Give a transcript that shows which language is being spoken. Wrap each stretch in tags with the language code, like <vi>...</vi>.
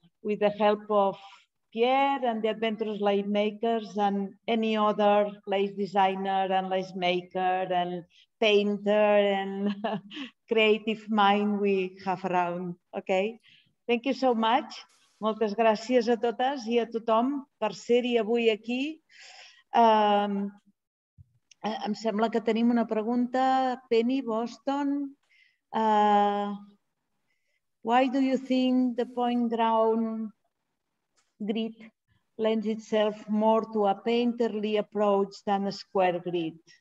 <en>With the help of Pierre and the Adventurous Lace Makers and any other lace designer and lace maker and painter and creative mind we have around, okay? Thank you so much.</en> <ca>Moltes gràcies a totes i a tothom per ser-hi avui aquí. Em sembla que tenim una pregunta.</ca> <en>Penny Boston, why do you think the point ground grid lends itself more to a painterly approach than a square grid?</en>